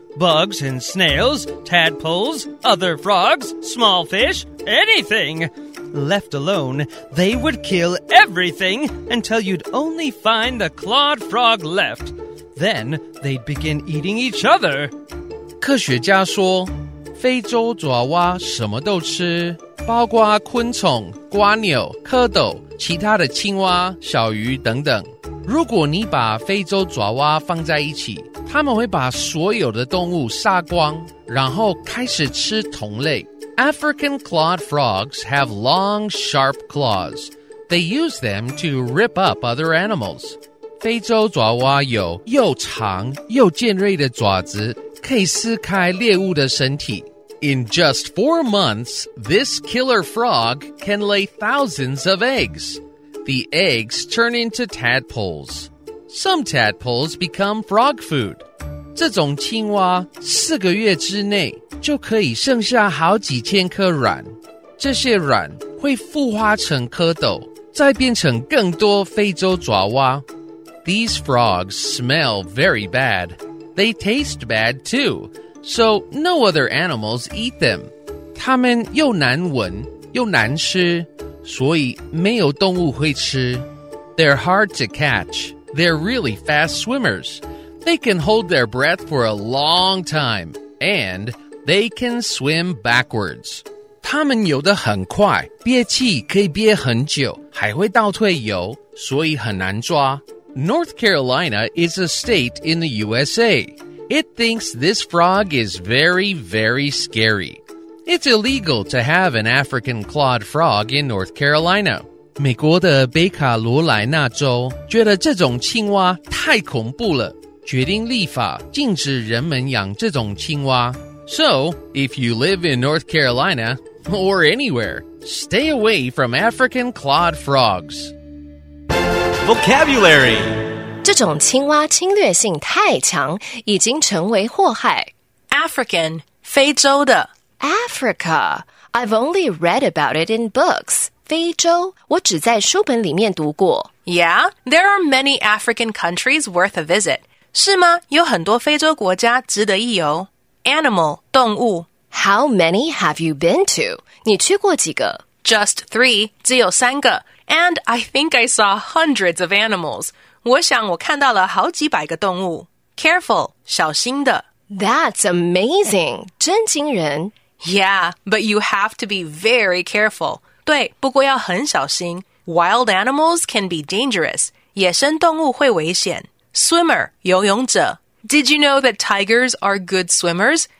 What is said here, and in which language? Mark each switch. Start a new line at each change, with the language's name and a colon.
English: Bugs and snails, tadpoles, other frogs, small fish, anything. Left alone, they would kill everything until you'd only find the clawed frog left. Then they'd begin eating each other.
Chinese: 科学家说，非洲爪蛙什么都吃，包括昆虫、蜗牛、蝌蚪、其他的青蛙、小鱼等等。如果你把非洲爪蛙放在一起，他们会把所有的动物杀光，然后开始吃同类。
English: African clawed frogs have long, sharp claws. They use them to rip up other animals.
Chinese: 非洲爪蛙有又长又尖锐的爪子，可以撕开猎物的身体。
English: In just 4 months, this killer frog can lay thousands of eggs. The eggs turn into tadpoles. Some tadpoles become frog food.
Chinese: 这种青蛙四个月之内就可以生下好几千颗卵。这些卵会孵化成蝌蚪，再变成更多非洲爪蛙。
English: These frogs smell very bad. They taste bad too, so no other animals eat them.
Chinese: 它们又难闻又难吃，所以没有动物会吃。
English: They're hard to catch. They're really fast swimmers. They can hold their breath for a long time, and they can swim backwards.
Chinese: 它们游得很快，憋气可以憋很久，还会倒退游，所以很难抓。
English: North Carolina is a state in the USA. It thinks this frog is very, very scary. It's illegal to have an African clawed frog in North Carolina.
Chinese: 美国的北卡罗来纳州觉得这种青蛙太恐怖了，决定立法禁止人们养这种青蛙。
English: So, if you live in North Carolina, or anywhere, stay away from African clawed frogs. Vocabulary.
Chinese: 这种青蛙侵略性太强，已经成为祸害。
English: African,
Chinese: 非洲的。
English: Africa, I've only read about it in books.
Chinese: 非洲，我只在书本里面读过。
English: Yeah, there are many African countries worth a visit.
Chinese: 是吗？有很多非洲国家值得一游。
English: Animal,
Chinese: 动物。
English: How many have you been to?
Chinese: 你去过几个？
English: Just 3,
Chinese: 只有三个。
English: And I think I saw hundreds of animals.
Chinese: 我想我看到了好几百个动物。
English: Careful,
Chinese: 小心的。
English: That's amazing,
Chinese: 真惊人。
English: Yeah, but you have to be very careful.
Chinese: 对，不过要很小心。
English: Wild animals can be dangerous.
Chinese: 野生动物会危险。Swimmer, 游泳者。
English: Did you know that tigers are good swimmers?